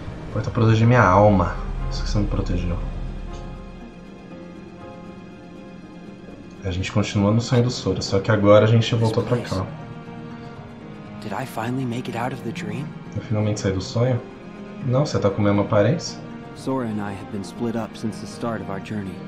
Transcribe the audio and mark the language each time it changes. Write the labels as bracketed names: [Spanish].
[Portuguese] Importa proteger minha alma. Isso que você não protegeu. A gente continua no sonho do Sora, só que agora a gente voltou pra cá. [English] Did I finally make it out of the dream? [Portuguese] Eu finalmente saí do sonho? Não, você tá com a mesma aparência? [English] Sora and I have been split up since the start of our journey.